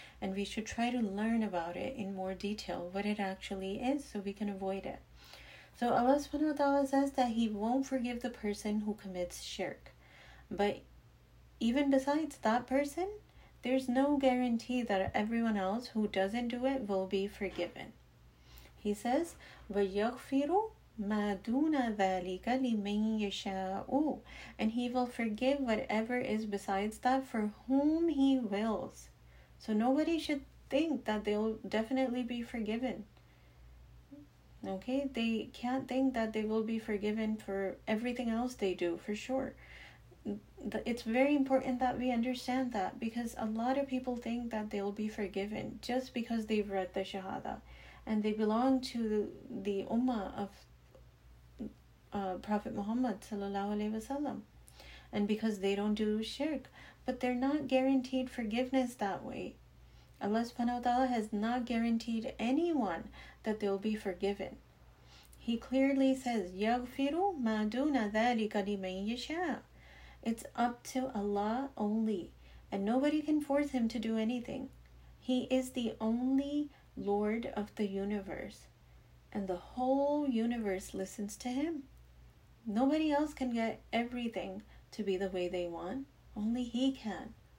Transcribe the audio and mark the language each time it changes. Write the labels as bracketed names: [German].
[English] And we should try to learn about it in more detail, what it actually is, so we can avoid it. So Allah subhanahu wa ta'ala says that He won't forgive the person who commits shirk. But even besides that person, there's no guarantee that everyone else who doesn't do it will be forgiven. He says, [Arabic] وَيَغْفِرُ مَا دُونَ ذَٰلِكَ لِمَنْ يَشَاءُ. [English] And He will forgive whatever is besides that for whom He wills. So nobody should think that they'll definitely be forgiven. Okay, they can't think that they will be forgiven for everything else they do for sure. It's very important that we understand that, because a lot of people think that they'll be forgiven just because they've read the Shahada and they belong to the Ummah of Prophet Muhammad sallallahu alaihi wasallam, and because they don't do shirk. But they're not guaranteed forgiveness that way. Allah subhanahu wa ta'ala has not guaranteed anyone that they'll be forgiven. He clearly says, [Arabic] يَغْفِرُ مَا دُونَ ذَلِكَ لِمَنْ يَشَاءُ. [English] It's up to Allah only, and nobody can force Him to do anything. He is the only Lord of the universe, and the whole universe listens to Him. Nobody else can get everything to be the way they want. Only he can.